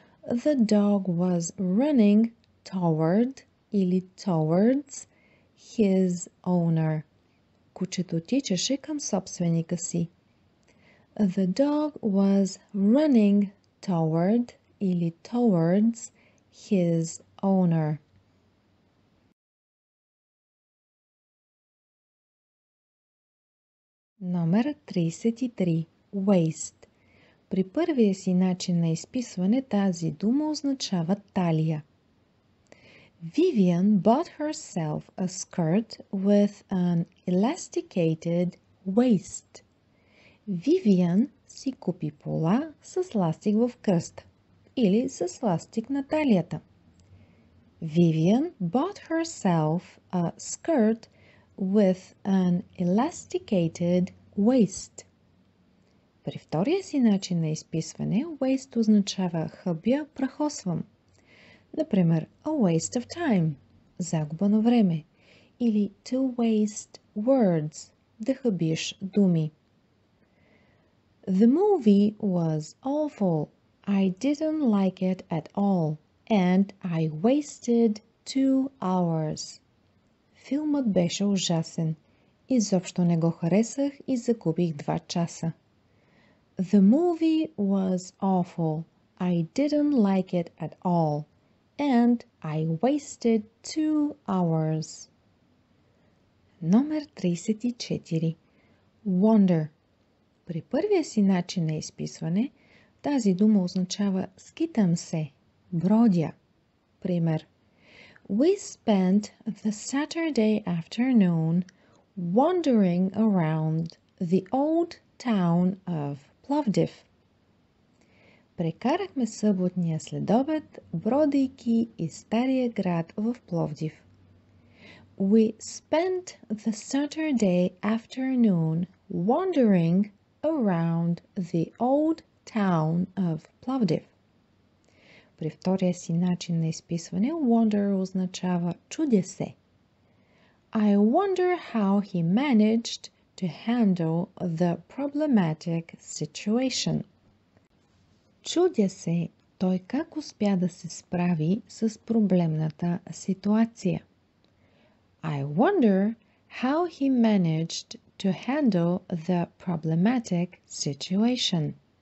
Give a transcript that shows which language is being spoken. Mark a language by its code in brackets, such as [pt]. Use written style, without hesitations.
[en] The dog was running toward [bg] или [en] towards his owner. [bg] Кучето тичаше към собственика си. [en] The dog was running toward [bg] или [en] towards his owner. 33. Waste. [bg] При първия си начин на изписване тази дума означава талия. [en] Vivian bought herself a skirt with an elasticated waist. [bg] Vivian си купи пола с ластик в кръста или с ластик на талията. [en] Vivian bought herself a skirt with an elasticated waist. [bg] При втория си начин на изписване, waste означава хабя, прахосвам. Например, [en] a waste of time [bg] – загуба на време. Или [en] to waste words [bg] – да хабиш думи. [en] The movie was awful. I didn't like it at all. And I wasted 2 hours. [bg] Филмът беше ужасен. Изобщо не го харесах и загубих 2 часа. [en] The movie was awful. I didn't like it at all. And I wasted 2 hours. 34. Wonder. [bg] При първия си начин на изписване, тази дума означава скитам се, бродя. Пример. [en] We spent the Saturday afternoon wandering around the old town of Plovdiv. [bg] Прекарахме съботния следобед, бродейки из стария град в Пловдив. [en] We spent the Saturday afternoon wandering around the old town of Plovdiv. [bg] При втория си начин на изписване, wonder означава чудя се. [en] I wonder how he managed to handle the problematic situation. [bg] Чудя се той как успя да се справи с проблемната ситуация. [en] I wonder how he managed to handle the problematic situation.